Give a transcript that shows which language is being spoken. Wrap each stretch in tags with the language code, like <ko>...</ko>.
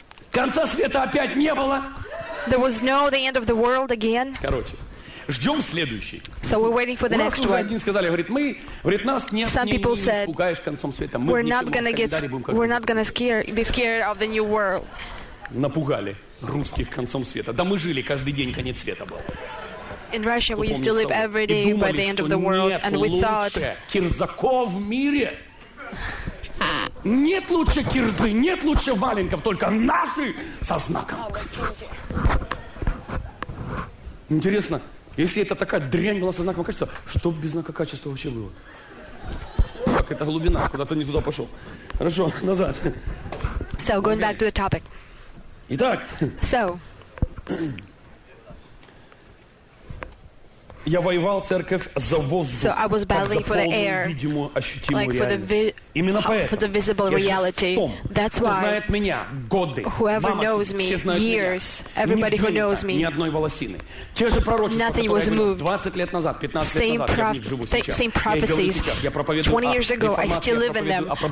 <ru>Конца света опять не было.</ru> <en>There was no the end of the world again.</en> <ru>Ждем следующий.</ru> <en>So we're waiting for the next one.</en> <ru>У нас уже один сказали, говорит, мы, говорит, нас не испугаешь концом света. Мы</ru> <en>We're not gonna be scared of the new world.</en> <ru>Напугали русских концом света. Да мы жили каждый день конец света был.</ru> <en>In Russia we used to live every day by the end of the world, and we thought.</en> <ru>Кирзаков в мире. Нет лучше кирзы, нет лучше валенков, только наши со знаком. Интересно. Если это такая дрянь была со знаком качества, что без знака качества вообще было? Так, это глубина, куда-то не туда пошел. Хорошо, назад.</ru> <en>So, going okay. back to the topic.</en> <ru>Итак.</ru> <en>So.</en> <ru>Я воевал церковь за воздух,</ru> <en>so I was battling for the air, like for the, for the visible reality. That's why whoever knows me, years, everybody who knows me, nothing was moved. Same prophecies. 20 years ago, I still live in them.</en>